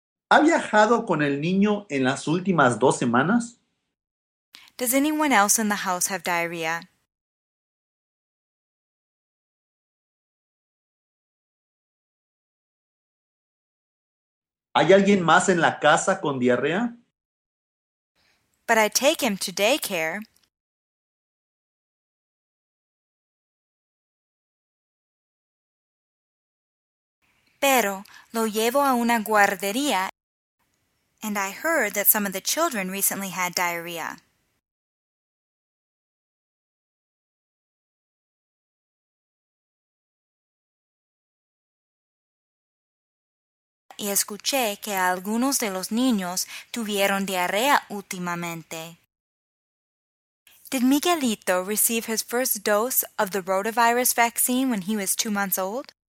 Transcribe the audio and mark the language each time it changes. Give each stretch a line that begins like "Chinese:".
Spanish: ¿Ha viajado con el niño en las últimas 2 semanas?
English: Does anyone else in the house have diarrhea?
Spanish: ¿Hay alguien más en la casa con diarrea?
English: But I take him to daycare.
Spanish: Pero lo llevo a una guardería,
English: and I heard that some of the children recently had diarrhea.
Spanish: Y escuché que algunos de los niños tuvieron diarrea últimamente.
English: Did Miguelito receive his first dose of the rotavirus vaccine when he was 2 months old?